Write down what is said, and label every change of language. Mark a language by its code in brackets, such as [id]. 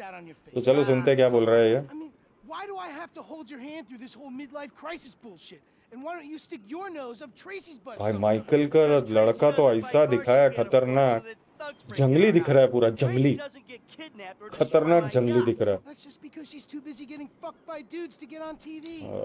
[hi] तो चलो सुनते क्या बोल रहे हैं। [en] Why do I have to hold your hand through this whole midlife crisis bullshit? And why don't you stick your nose up Tracy's butt? [hi] भाई माइकल का लड़का तो ऐसा दिखाया, खतरनाक जंगली दिख रहा है, पूरा जंगली, खतरनाक जंगली दिख रहा है। [en] That's just because she's too busy getting fucked by dudes to get on TV.